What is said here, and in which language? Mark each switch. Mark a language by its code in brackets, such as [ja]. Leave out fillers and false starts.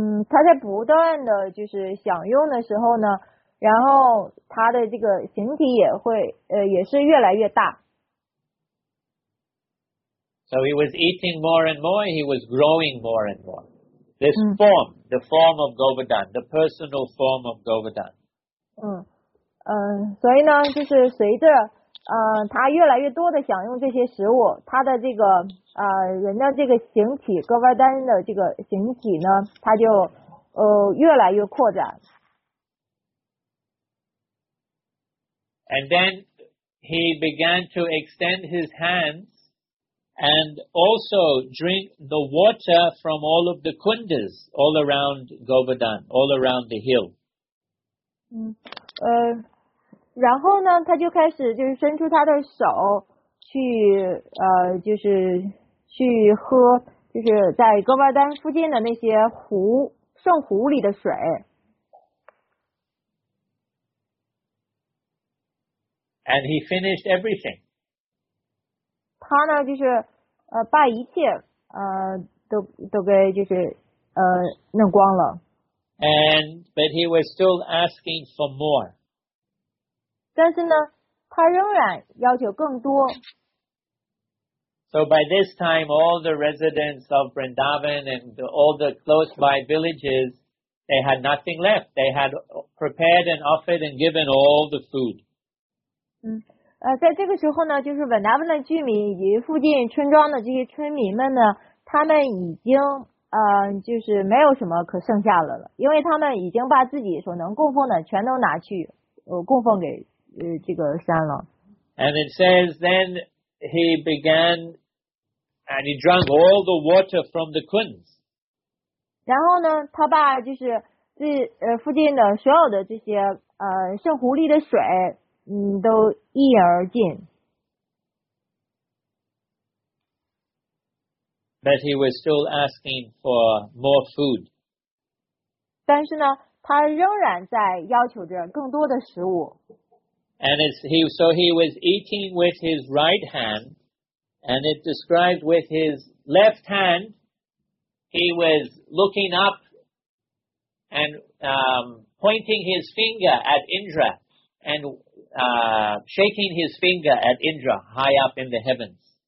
[zh] 他在不断的就是享用的时候呢，然后他的这个形体也会也是越来越大。 [en] So he was eating more and more. He was growing more and more. This form, the form of Govardhan, the personal form of Govardhan. [zh] 所以呢，就是随着他越来越多的享用这些食物，他的这个人的这个形体 ，Govardhan 的这个形体呢，他就越来越扩展。 [en] And then he began to extend his hands. And also drink the water from all of the kundas all around Govardhan, all around the hill. [zh] 然后呢，他就开始就是伸出他的手去就是去喝，就是在 Govardhan 附近的那些湖圣湖里的水。 [en] And he finished everything. [zh] 他呢，就是。把一切都给就是弄光了。 [en] But he was still asking for more. [zh] 但是呢，他仍然要求更多。 [en] So by this time, all the residents of Vrindavan and all the close by villages, they had nothing left. They had prepared and offered and given all the food. [zh] 在这个时候呢，就是文达文的居民以及附近村庄的这些村民们呢，他们已经就是没有什么可剩下的了，因为他们已经把自己所能供奉的全都拿去供奉给这个山了。 [en] And it says then he began and he drank all the water from the kuns. [zh] 然后呢，他把就是这附近的所有的这些圣湖里的水。都一饮而尽。 [en] But he was still asking for more food. [zh] 但是呢，他仍然在要求着更多的食物。 [en] And he was eating with his right hand, and it describes with his left hand, he was looking up and pointing his finger at Indra and shaking his finger at Indra high up in the heavens.